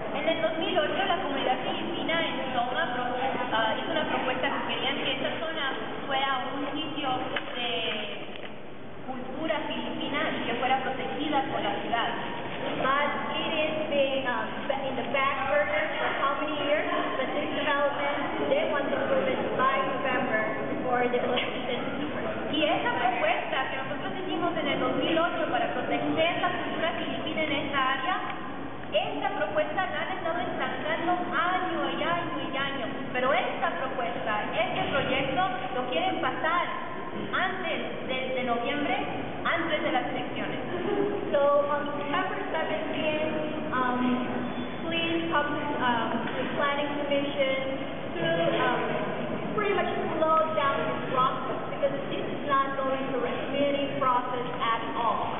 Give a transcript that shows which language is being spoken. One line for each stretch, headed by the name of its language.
Spanish: En el 2008, la comunidad filipina en Soma hizo una propuesta que querían que esa zona fuera un sitio de cultura filipina y que fuera protegida por la ciudad.
English: But it is being in the back burner for how many years? But this development, they want to approve it by November for the election.
Spanish: Y esa propuesta que nosotros hicimos en el 2008 para proteger la cultura filipina en esta área, esta propuesta la han estado ensanchando año y año y año, pero esta propuesta, este proyecto, lo quieren pasar antes de noviembre, antes de las elecciones.
English: So, on September 17th, please come to the Planning Commission to pretty much slow down this process, because this is not going to a committee process at all.